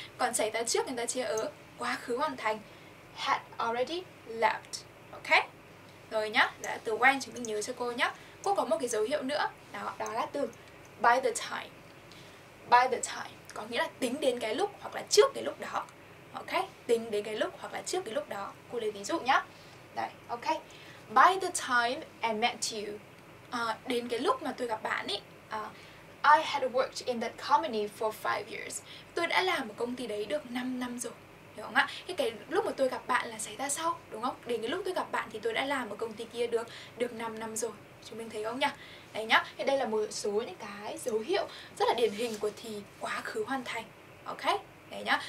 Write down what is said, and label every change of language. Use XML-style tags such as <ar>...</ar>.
<vi>Còn xảy ra trước người ta chia ở quá khứ hoàn thành,</vi> <en>had already left.</en> <vi>Ok. Rồi nhá, đó là từ when chúng mình nhớ cho cô nhá. Cô có một cái dấu hiệu nữa, đó là từ by the time. By the time có nghĩa là tính đến cái lúc hoặc là trước cái lúc đó. Ok, tính đến cái lúc hoặc là trước cái lúc đó. Cô lấy ví dụ nhá. Đây, ok.</vi> <en>By the time I met you,</en> <vi>đến cái lúc mà tôi gặp bạn ý,</vi> <en>I had worked in that company for 5 years.</en> <vi>Tôi đã làm ở công ty đấy được 5 năm rồi, hiểu không ạ? Cái lúc mà tôi gặp bạn là xảy ra sau, đúng không? Đến cái lúc tôi gặp bạn thì tôi đã làm ở công ty kia được 5 năm rồi. Chúng mình thấy không nhỉ? Đấy nhá. Thì đây là một số những cái dấu hiệu rất là điển hình của thì quá khứ hoàn thành. Ok? Đấy nhá.</vi>